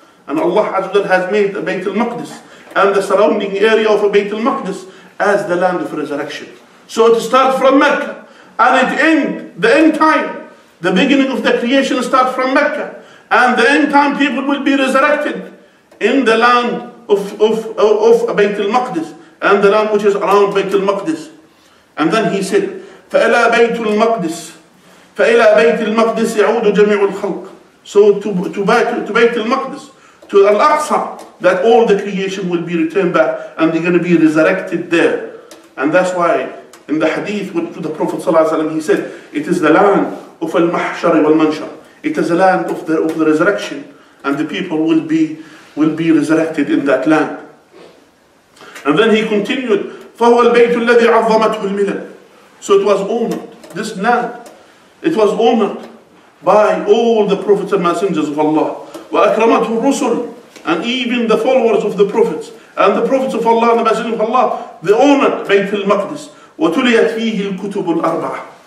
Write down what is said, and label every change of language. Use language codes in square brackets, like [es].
[en] And Allah Azza wa Jalla has made a Bayt al-Maqdis and the surrounding area of a Bayt al-Maqdis as the land of resurrection. So it starts from Mecca. And at the end time, The beginning of the creation starts from Mecca. And the end time people will be resurrected in the land of Bayt al-Maqdis and the land which is around Bayt al-Maqdis. And then he said, [ar] فَإِلَى بَيْتُ الْمَقْدِسِ فَإِلَى بَيْتِ الْمَقْدِسِ يَعُودُ جَمِيعُ الْخَلْقِ. [en] So to Bayt al-Maqdis, to Al-Aqsa, that all the creation will be returned back and they're going to be resurrected there. And that's why in the hadith to the Prophet ﷺ, he said, it is the land of al-mahshar wal-manshar. It is a land of the resurrection, and the people will be resurrected in that land. And then he continued, [ar] فَهُوَ الْبَيْتُ الَّذِي عَظَّمَتْهُ الْمِلَلُ. [en] So it was honored, this land. It was honored by all the prophets and messengers of Allah. [ar] وَأَكْرَمَتْهُ الرُّسُلُ. [en] And even the followers of the prophets, and the prophets of Allah and the messengers of Allah, they honored بيت المقدس. [ar] وَتُلِيَتْ فِيهِ الْكُتُبُ الْأَرْبَعَ.